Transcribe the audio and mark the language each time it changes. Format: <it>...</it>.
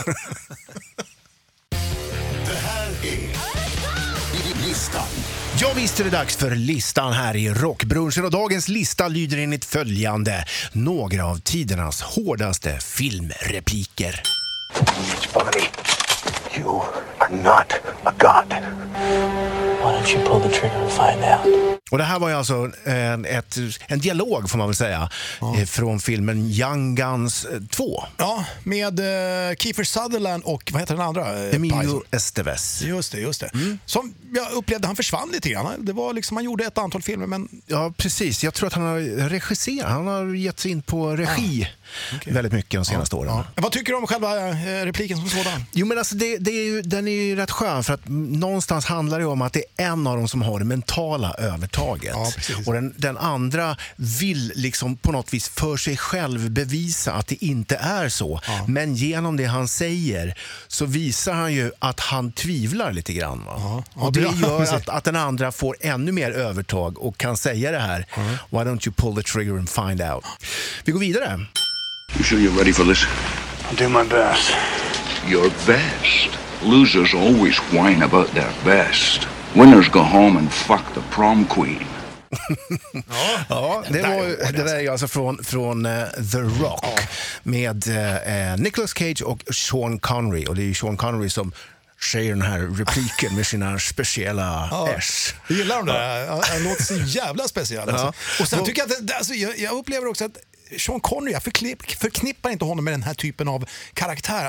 <sv>Det här är listan. Ja, visst är det dags för listan här i Rockbrunchen, och dagens lista lyder enligt följande: några av tidernas hårdaste filmrepliker.</sv> <en>Follow me. You are not a god. Why don't you pull the trigger and find out?</en> <sv>Och det här var ju alltså en dialog, får man väl säga, från filmen Young Guns 2. Ja, med Kiefer Sutherland och, vad heter den andra? Emilio Estevez. Just det, just det. Mm. Som jag upplevde, han försvann lite grann. Det var liksom, han gjorde ett antal filmer, men... Ja, precis. Jag tror att han har regisserat. Han har gett sig in på regi väldigt mycket de senaste åren. Ja. Vad tycker du om själva repliken som sådan? Jo, men alltså, det är ju, den är ju rätt skön, för att någonstans handlar det om att det är en av dem som har det mentala övertaget. Och den andra vill liksom på något vis för sig själv bevisa att det inte är så. Ja. Men genom det han säger så visar han ju att han tvivlar lite grann. Va? Ja. Ja, och det gör att den andra får ännu mer övertag och kan säga det här. Mm.</sv> <en>Why don't you pull the trigger and find out?</en> <sv>Vi går vidare.</sv> <en>You sure you're ready for this? I'll do my best. Your best? Losers always whine about their best. Winners go home and fuck the prom queen.</en> <sv>Ja, det var det där, alltså från The Rock med Nicolas Cage och Sean Connery, och det är Sean Connery som säger den här repliken med sina speciella S. Jag gillar det. Han låter så jävla speciell. Alltså. Och sen tycker jag att jag upplever också att Sean Connery, jag förknippar inte honom med den här typen av karaktär.</sv>